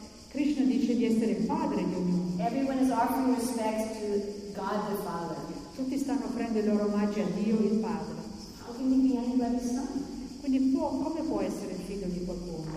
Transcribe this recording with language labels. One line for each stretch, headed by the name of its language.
Italian: Krishna dice di essere il padre di ognuno.
English: Everyone is offering respect to God the Father.
Italian: Tutti stanno offrendo i loro omaggi a Dio il Padre.
English: How can he be anybody's son?
Italian: Quindi può, come può essere il figlio di qualcuno?